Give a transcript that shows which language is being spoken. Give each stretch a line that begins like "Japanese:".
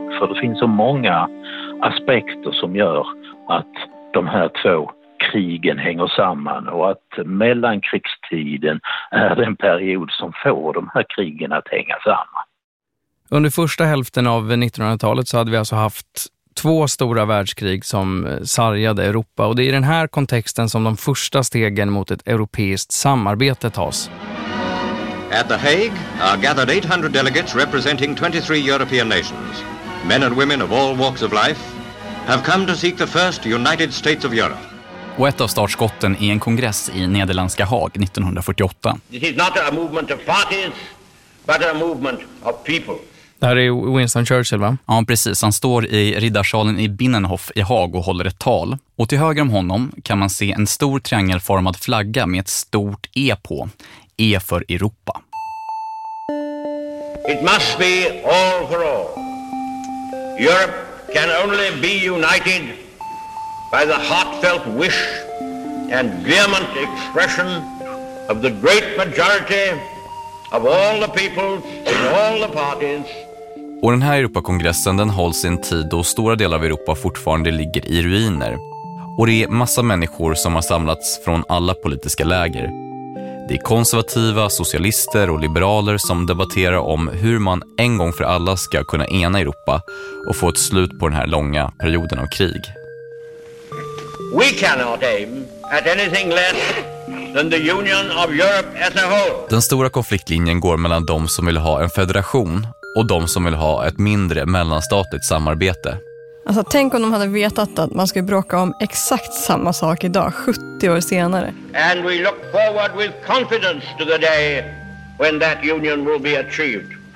Swedish: För det finns så många aspekter som gör att de här två krigen hänger samman, och att mellankrigstiden är den period som får de här krigen att hänga samman. Under första hälften av 1900-talet så hade vi alltså haft två stora världskrig som sargade Europa, och det är i den här kontexten som de första stegen mot ett europeiskt samarbete tas.
English: At The Hague are gathered 800 delegates representing 23 European nations. Men and women of all walks of life have come to seek the first United States of Europe.
Swedish: Och ett av startskotten är en kongress i Nederländska Haag 1948.
English: This is not a movement of parties, but a movement of people.
Swedish: Det här är Winston Churchill, va? Ja, precis. Han står i riddarsalen i Binnenhof i Haag och håller ett tal. Och till höger om honom kan man se en stor triangelformad flagga med ett stort E på. E för Europa.
English: It must be all for all. Europe can only be united by the heartfelt wish and vehement expression of the great majority of all the peoples in all the parties.
Swedish: Och den här Europakongressen, den hålls i en tid då stora delar av Europa fortfarande ligger i ruiner. Och det är massa människor som har samlats från alla politiska läger. Det är konservativa, socialister och liberaler som debatterar om hur man en gång för alla ska kunna ena Europa och få ett slut på den här långa perioden av krig.
English: We cannot aim at anything less than the union of Europe as a whole.
Swedish: Den stora konfliktlinjen går mellan de som vill ha en federation och de som vill ha ett mindre mellanstatligt samarbete. Alltså, tänk om de hade vetat att man skulle bråka om exakt samma sak idag, 70 år senare.
English: And we look forward with confidence to the day when that union will be achieved.